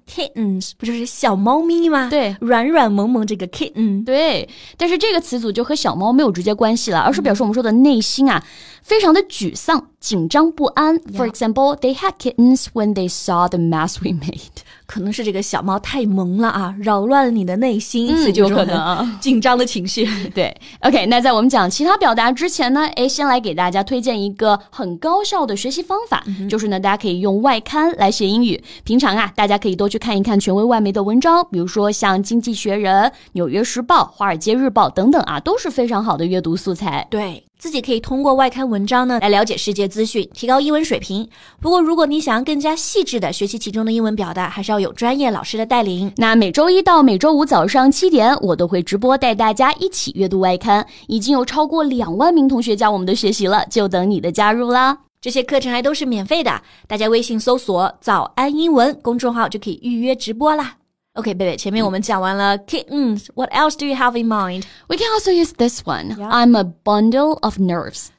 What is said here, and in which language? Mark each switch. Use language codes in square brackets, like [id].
[zh] Kittens, 不就是小猫咪吗？对，软软萌萌这个 kitten. 对，但是这个词组就和小猫没有直接关系了，而是表示我们说的内心啊，非常的沮丧，紧张不安。 For example, they had kittens when they saw the mess we made. 可能是这个小猫太萌了啊，扰乱了你的内心，所以就可能紧张的情绪。对 ，OK, 那在我们讲其他表达之前呢，先来给大家推荐一个很高效的学习方法，就是呢，大家可以用外刊来学英语。平常啊，大家可以多去看一看权威外媒的文章，比如说像《经济学人》《纽约时报》《华尔街日报》等等啊，都是非常好的阅读素材。对。自己可以通过外刊文章呢来了解世界资讯，提高英文水平。不过如果你想要更加细致的学习其中的英文表达，还是要有专业老师的带领。那每周一到每周五早上七点，我都会直播带大家一起阅读外刊，已经有超过20000名同学加我们的学习了，就等你的加入啦。这些课程还都是免费的，大家微信搜索早安英文公众号就可以预约直播啦。 [en] OK, 贝贝， [zh] 前面我们讲完了 [en] kittens, what else do you have in mind? We can also use this one.、I'm a bundle of nerves.